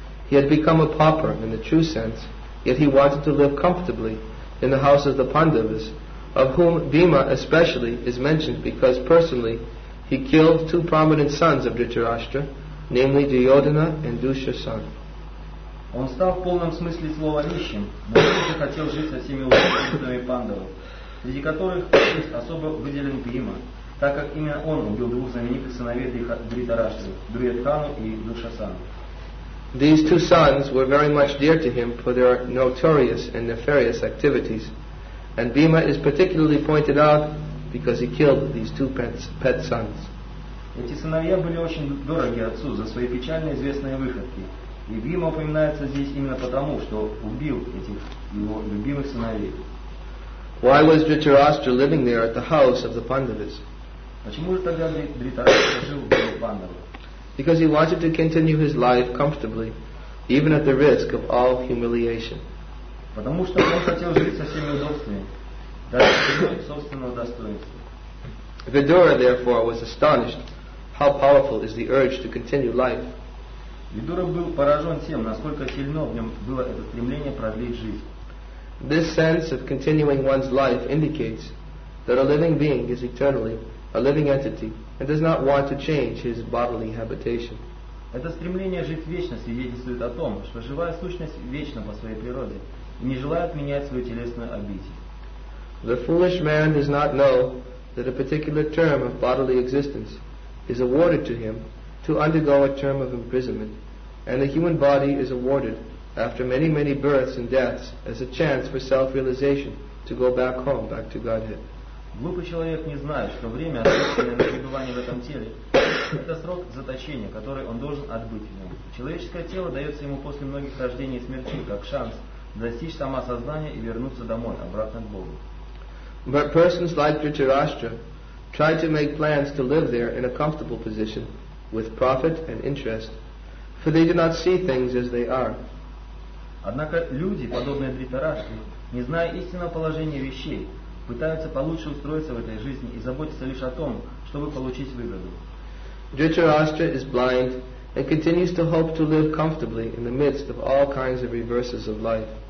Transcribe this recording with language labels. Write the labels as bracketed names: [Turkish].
[English] He had become a pauper in the true sense, yet he wanted to live comfortably in the house of the Pandavas, of whom Bhima especially is mentioned because personally he killed two prominent sons of Dhritarashtra, namely Duryodhana and Dushasana. [Russian] Он стал в полном смысле слова нищим, но также хотел жить со всеми уважаемыми пандавами, среди которых особо выделен Бхима, так как именно он убил двух знаменитых сыновей Дхритарашты, Дурьотхану и Душасану. [English] These two sons were very much dear to him for their notorious and nefarious activities, and Bhima is particularly pointed out because he killed these two pet sons. [Russian] Эти сыновья были очень дороги отцу за свои печально известные выходки. И Бхима упоминается здесь именно потому, что убил этих его любимых сыновей. [English] Why was Dhritarashtra living there at the house of the Pandavas? [Russian] Почему же тогда Дхритараштра жил в доме Пандавы? [English] Because he wanted to continue his life comfortably, even at the risk of all humiliation. [Russian] Потому что он хотел жить со всеми удобствами, даже ценой собственного достоинства. [English] Vidura, therefore, was astonished how powerful is the urge to continue life. [Russian] Видура был поражен тем, насколько сильно в нем было это стремление продлить жизнь. [English] This sense of continuing one's life indicates that a living being is eternally a living entity and does not want to change his bodily habitation. [Russian] Это стремление жить вечно свидетельствует о том, что живая сущность вечна по своей природе и не желает менять свою телесную обитель. [English] The foolish man does not know that a particular term of bodily existence is awarded to him to undergo a term of imprisonment, and the human body is awarded after many, many births and deaths as a chance for self-realization to go back home, back to Godhead. [Russian] Глупый человек не знает, что время, отпущенное на пребывание в этом теле, это срок заточения, который он должен отбыть в нем. Человеческое тело дается ему после многих рождений и смерти как шанс достичь самосознания и вернуться домой, обратно к Богу. [English] But persons like Dhritarashtra try to make plans to live there in a comfortable position with profit and interest, for they do not see things as they are. [Russian] Однако люди, подобные Дхритараштре, не зная истинного положения вещей, пытаются получше устроиться в этой жизни и заботятся лишь о том, чтобы получить выгоду. [English] Dhritarashtra is blind and continues to hope to live comfortably in the midst of all kinds of reverses of life.